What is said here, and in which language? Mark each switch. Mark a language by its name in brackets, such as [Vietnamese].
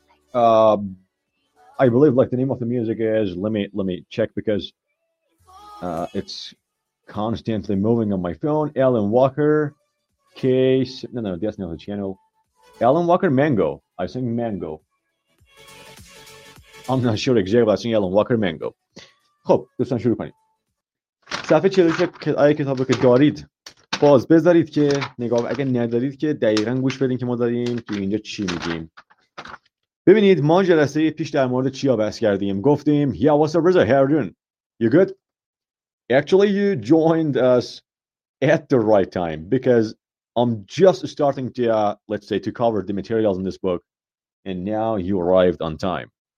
[English] Uh, I believe like the name of the music is, let me check, because it's constantly moving on my phone. Alan Walker, Case. No, that's not the channel. Alan Walker Mango. I sing Mango. I'm not sure exactly, but I sing Alan Walker Mango. [Persian] خب دوستان شروع کنید. صفحه 43 آیه کتابی که دارید باز بذارید که نگاه، اگه ندارید که دقیقاً گوش بدین که ما داریم تو اینجا چی میگیم. ببینید ما جلسه پیش در مورد چی بحث کردیم. گفتیم [English] yeah, what's up, Reza? How are you doing? You good? Actually, you joined us at the right time because I'm just starting to let's say to cover the materials in this book and now you arrived on time.